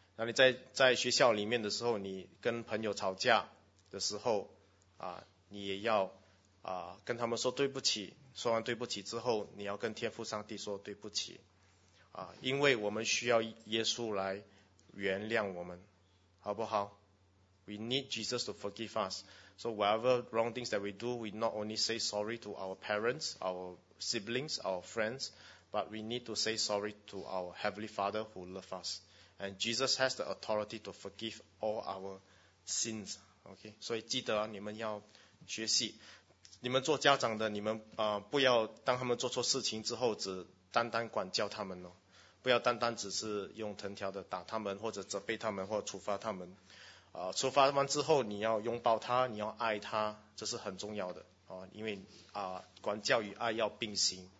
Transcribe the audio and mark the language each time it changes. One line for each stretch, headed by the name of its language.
Chinese: 那你在学校里面的时候，你跟朋友吵架的时候你也要跟他们说对不起，说完对不起之后，你要跟天父上帝说对不起因为我们需要耶稣来原谅我们，好不好？
English: We need Jesus to forgive us. So whatever wrong things that we do, we not only say sorry to our parents, our siblings, our friends, but we need to say sorry to our Heavenly Father who loves us. And Jesus has the authority to forgive all our sins. Okay?
Chinese: 所以记得你们要学习，你们做家长的，你们不要当他们做错事情之后只单单管教他们不要单单只是用藤条的打他们，或者责备他们，或者处罚他们。出发完之后，你要拥抱他，你要爱他，这是很重要的因为管教与爱要并行。